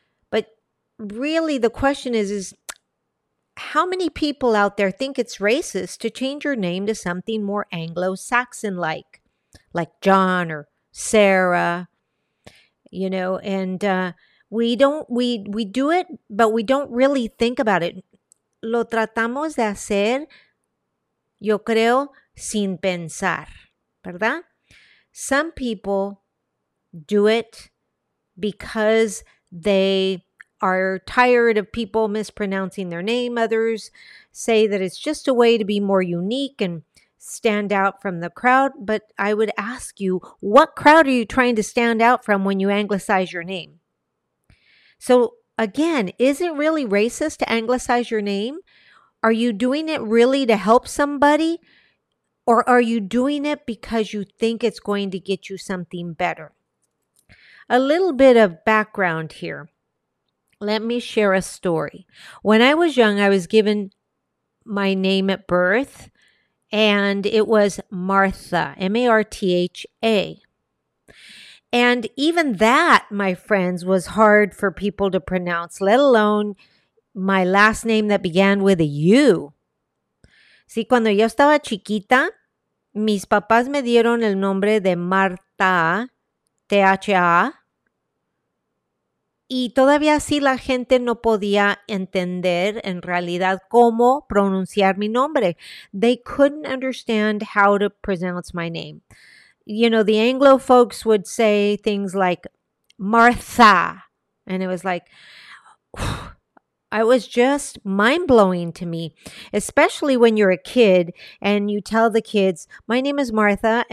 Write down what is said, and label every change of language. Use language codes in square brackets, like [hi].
[en] But really the question is, how many people out there think it's racist to change your name to something more Anglo-Saxon-like, like John or Sarah, you know? And we do it, but we don't really think about it. [es] Lo tratamos de hacer, yo creo, sin pensar, ¿verdad? [en] Some people do it because they are tired of people mispronouncing their name. Others say that it's just a way to be more unique and stand out from the crowd. But I would ask you, what crowd are you trying to stand out from when you anglicize your name? So again, is it really racist to anglicize your name? Are you doing it really to help somebody? Or are you doing it because you think it's going to get you something better? A little bit of background here. Let me share a story. When I was young, I was given my name at birth, and it was Martha, M-A-R-T-H-A. And even that, my friends, was hard for people to pronounce, let alone my last name that began with a U. [es] Sí, cuando yo estaba chiquita, mis papás me dieron el nombre de Marta, Tha. Y todavía así la gente no podía entender en realidad cómo pronunciar mi nombre. [en] They couldn't understand how to pronounce my name. You know, the Anglo folks would say things like Martha. And it was like, it was just mind-blowing to me, especially when you're a kid and you tell the kids, my name is Martha.